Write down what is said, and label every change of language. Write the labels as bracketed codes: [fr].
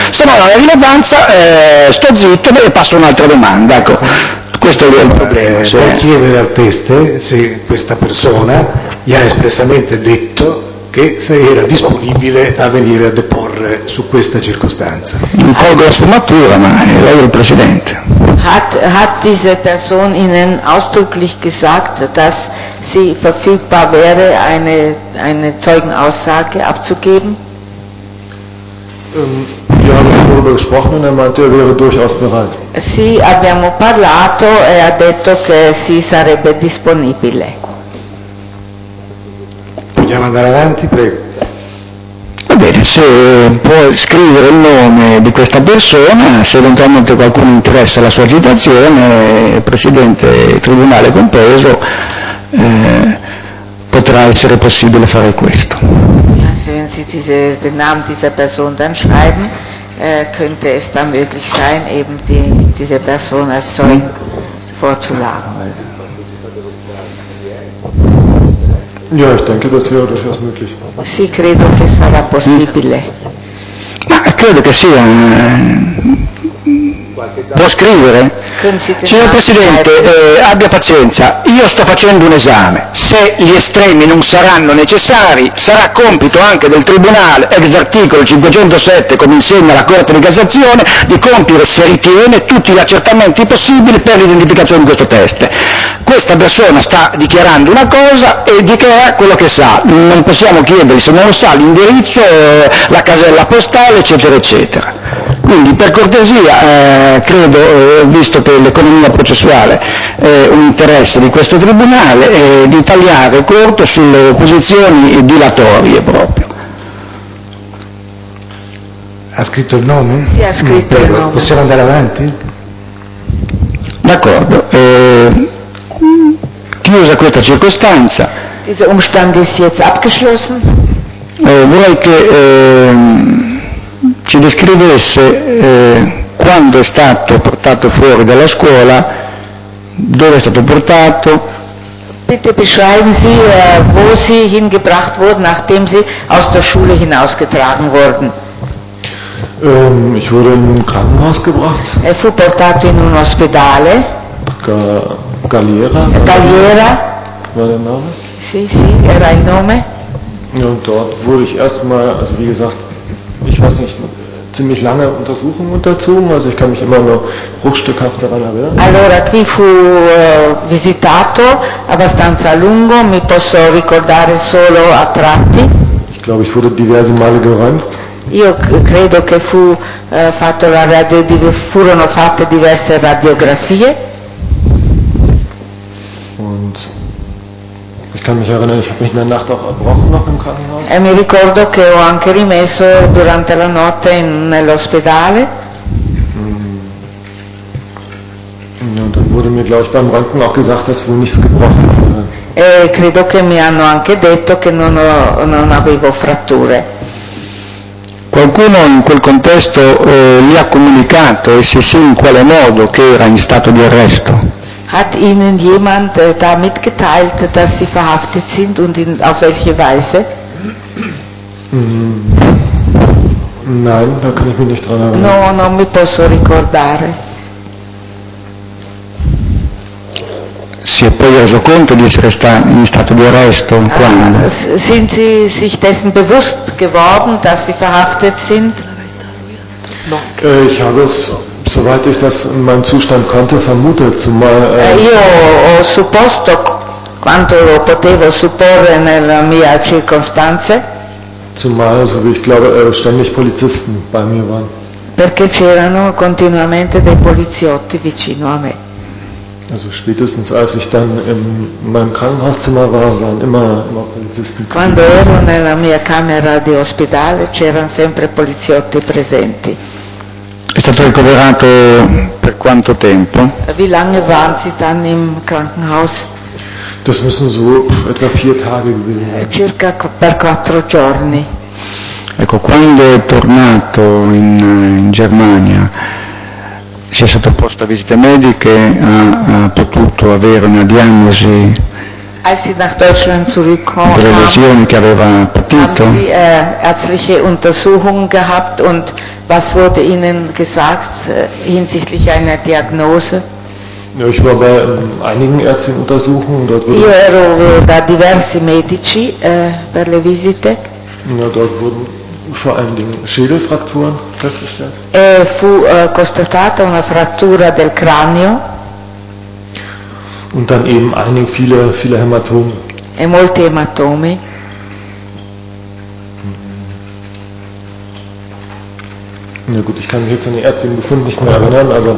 [it] Se non ha la rilevanza, sto zitto e passo un'altra domanda, ecco. Questo è il problema. Cioè. Puoi chiedere al test se questa persona gli ha espressamente detto che se era disponibile a venire a deporre su questa circostanza. Non colgo la sfumatura, ma lei è il Presidente. [de] Hat diese Person Ihnen ausdrücklich gesagt, dass sie verfügbar wäre, eine Zeugenaussage abzugeben? Wir haben darüber gesprochen und er meinte, er wäre durchaus bereit. [it] Sì, abbiamo parlato e ha detto che si sarebbe disponibile. Vogliamo andare avanti, prego. Va bene, se può scrivere il nome di questa persona, se eventualmente qualcuno interessa la sua citazione, Presidente, Tribunale compreso, potrà essere possibile fare questo. [de] Wenn Sie den Namen dieser Person dann schreiben, könnte es dann möglich sein, eben diese Person als Zeugen vorzuladen. Ja, ich denke, das wäre durchaus möglich. [it] Sì, credo che sarà possibile. Ma credo che sia. Può scrivere? Signor Presidente, abbia pazienza, io sto facendo un esame, se gli estremi non saranno necessari sarà compito anche del Tribunale, ex articolo 507 come insegna la Corte di Cassazione, di compiere se ritiene tutti gli accertamenti possibili per l'identificazione di questo test. Questa persona sta dichiarando una cosa e dichiara quello che sa, non possiamo chiedergli se non lo sa l'indirizzo, la casella postale eccetera eccetera. Quindi per cortesia, credo, visto che l'economia processuale è un interesse di questo tribunale, di tagliare corto sulle posizioni dilatorie proprio. Ha scritto il nome? Sì, ha scritto il nome. Possiamo andare avanti? D'accordo. Chiusa questa circostanza. [de] Dieser Umstand ist jetzt abgeschlossen. [it] Vorrei che ci descrivesse quando è stato portato fuori dalla scuola, dove è stato portato. [de] Bitte beschreiben Sie, wo Sie hingebracht wurden, nachdem Sie aus der Schule hinausgetragen wurden. Ich wurde in ein Krankenhaus gebracht. [it] Er fu portato in un ospedale. Galliera. Galliera. [de] War der Name? [it] Sì, sì, era il nome. [de] Und dort wurde ich erstmal, also wie gesagt, ich weiß nicht, ziemlich lange Untersuchung unterzogen, also ich kann mich immer nur bruchstückhaft daran erinnern. [it] Allora, qui fu visitato abbastanza lungo, mi posso ricordare solo a tratti. [de] Ich glaube, ich wurde diverse Male geräumt. [it] Io credo che fu fatto la radio, furono fatte diverse radiografie. [de] Und ich kann mich erinnern, ich habe mich in der Nacht auch erbrochen noch im Krankenhaus. [it] E mi ricordo che ho anche rimesso durante la notte nell'ospedale. [de] Ja, und dann wurde mir, glaube ich, beim Röntgen auch gesagt, dass wohl nichts gebrochen wurde. [it] E credo che mi hanno anche detto che non avevo fratture. Qualcuno in quel contesto gli ha comunicato, e se sì, in quale modo, che era in stato di arresto? [de] Hat Ihnen jemand da mitgeteilt, dass Sie verhaftet sind und in, auf welche Weise? Nein, da kann ich mich nicht dran erinnern. [it] No, non mi posso ricordare. Si è poi reso conto di essere in stato di arresto? Quando? [de] Sind Sie sich dessen bewusst geworden, dass Sie verhaftet sind? Ich habe es, soweit ich das in meinem Zustand konnte, vermutet, zumal... [it] Io ho supposto quanto lo potevo supporre nella mia circostanza. [de] Zumal, so wie ich glaube, ständig Polizisten bei mir waren. [it] Perché c'erano continuamente dei poliziotti vicino a me. [de] Also spätestens als ich dann in meinem Krankenhauszimmer war, waren immer Polizisten. [it] Quando ero nella mia camera di ospedale c'erano sempre poliziotti presenti. È stato ricoverato per quanto tempo? [de] Wie lange waren Sie dann im Krankenhaus? Das müssen so etwa 4 Tage gewesen sein. [it] Circa per 4 giorni. Ecco, quando è tornato in Germania, si è sottoposto a visite mediche, ha potuto avere una diagnosi delle lesioni che aveva patito. [de] Ärztliche Untersuchungen gehabt und was wurde Ihnen gesagt hinsichtlich einer Diagnose? Ja, ich war bei einigen ärztlichen Untersuchungen. Dort wurde [it] io ero da diversi medici per le visite. [de] Ja, dort wurden vor allen Dingen Schädelfrakturen festgestellt. [it] E fu constatata una frattura del cranio. [de] Und dann eben einige viele Hämatome. [it] E molti ematomi. [de] Na gut, ich kann mich jetzt an den ärztlichen Befund nicht mehr erinnern, aber...